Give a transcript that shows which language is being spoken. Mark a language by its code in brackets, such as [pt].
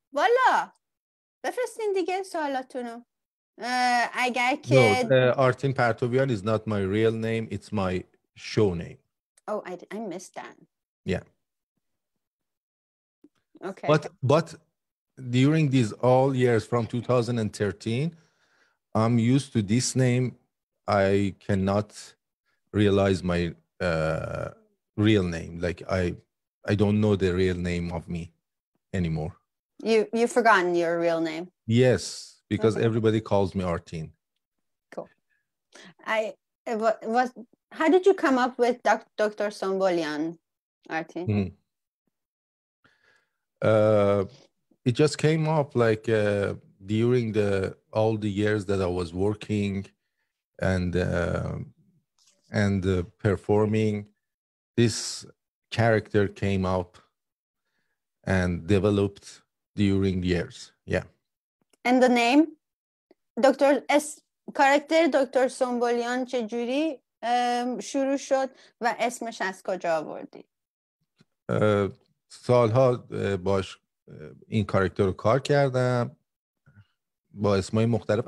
[fa] والا بفرستین دیگه سوالاتونو. [en] Artin Partovian is not my real name, it's my show name. Oh, I missed that. Yeah. Okay. But during these all years from 2013, I'm used to this name. I cannot realize my real name. Like I don't know the real name of me anymore. You've forgotten your real name. Yes. Because everybody calls me Artin. Cool. How did you come up with Dr. Sombolyan, Artin? Mm. It just came up like during the all the years that I was working and performing, this character came up and developed during years. Yeah. And the name? [fa] دکتر اس کاراکتر دکتر سومبولیان چجوری شروع شد و اسمش از کجا آوردی؟ سالها باش این کاراکتر رو کار کردم با اسمای مختلف.